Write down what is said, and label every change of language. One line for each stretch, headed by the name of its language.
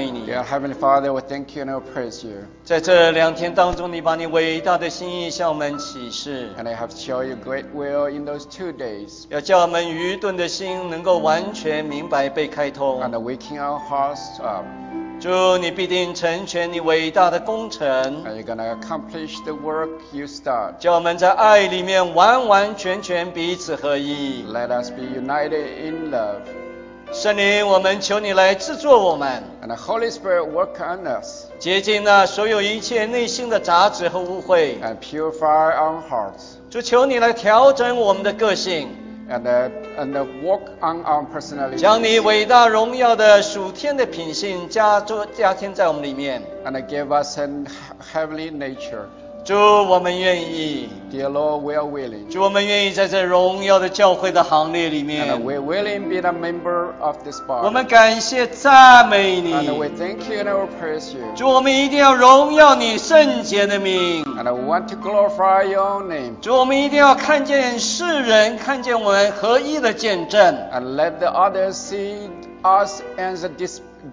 English: Dear Heavenly Father, we thank you and we praise you.
Chinese: 在这两天当中，你把你伟大的心意向我们启示。
English: And I have shown you great will in those 2 days.
Chinese: 要叫我们愚钝的心能够完全明白被开通。
English: And waking our hearts up.
Chinese: 主，你必定成全你伟大的工程。
English: And you're gonna accomplish the work you start.
Chinese: 叫我们在爱里面完完全全彼此合一。
English: Let us be united in love.
Chinese: 圣灵，我们求你来制作我们。
English: And the Holy Spirit work on us.
Chinese: 洁净那所有一切内心的杂质和污秽。
English: And purify our hearts.
Chinese: 主，求你来调整我们的个性。
English: And the work on our personality.
Chinese: 将你伟大荣耀的属天的品性加添在我们里面。
English: And give us a heavenly nature.
Chinese: 主，我们愿意。
English: Dear Lord, we are willing.
Chinese: 主，我们愿意在这荣耀的教会的行列里面。
English: And we are willing to be a member of this body.
Chinese: 我们感谢赞美你。
English: And we thank you and we praise you.
Chinese: 主，我们一定要荣耀你圣洁的名。
English: And we want to glorify your name.
Chinese: 主，我们一定要看见世人看见我们合一的见证。
English: And let the others see us as a display.